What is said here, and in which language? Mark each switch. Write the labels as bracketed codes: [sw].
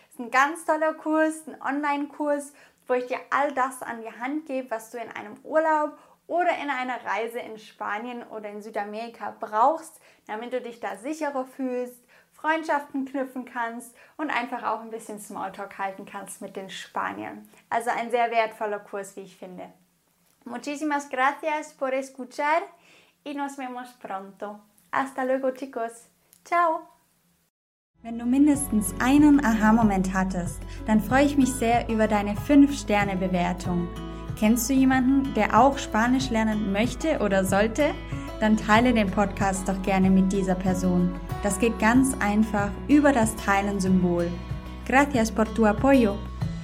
[de] Es ist ein ganz toller Kurs, ein Online-Kurs, wo ich dir all das an die Hand gebe, was du in einem Urlaub oder in einer Reise in Spanien oder in Südamerika brauchst, damit du dich da sicherer fühlst, Freundschaften knüpfen kannst und einfach auch ein bisschen Smalltalk halten kannst mit den Spaniern. Also ein sehr wertvoller Kurs, wie ich finde. [es] Muchísimas gracias por escuchar y nos vemos pronto. Hasta luego, chicos. Ciao! [de] Wenn du mindestens einen Aha-Moment hattest, dann freue ich mich sehr über deine 5-Sterne-Bewertung. Kennst du jemanden, der auch Spanisch lernen möchte oder sollte? Dann teile den Podcast doch gerne mit dieser Person. Das geht ganz einfach über das Teilen-Symbol. [es] Gracias por tu apoyo.